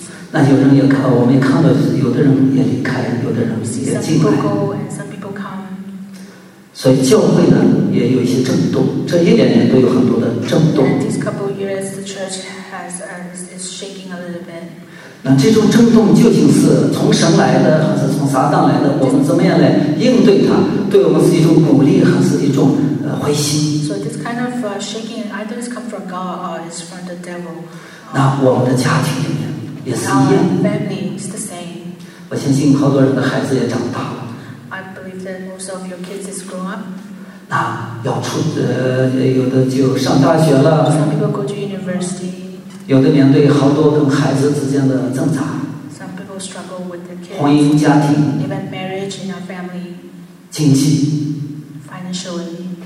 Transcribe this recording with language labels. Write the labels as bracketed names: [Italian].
[Chinese] 那有人也看，我们也看到，有的人也离开，有的人也进来。 [English] Some people go and some people come. [Chinese] 所以教会呢也有一些震动，这一两年都有很多的震动。 [English] And these couple years, the church has is shaking a little bit. [Chinese] 那这种震动究竟是从神来的，还是从撒旦来的？我们怎么样来应对它？对我们是一种鼓励，还是一种灰心 [English] ？So this kind of shaking either is come from God or is from the devil. [Chinese] 那我们的家庭里面。也是一样。 [English] Our family is the same. [Chinese] 我相信好多人的孩子也长大了。 [English] I believe that most of your kids is grown up. [Chinese] 那要出有的就上大学了。 [English] Some people go to university. [Chinese] 有的面对好多跟孩子之间的挣扎。 [English] Some people struggle with their kids. [Chinese] 婚姻家庭。 [English] Even marriage in our family. [Chinese] 经济。 [English] Financially.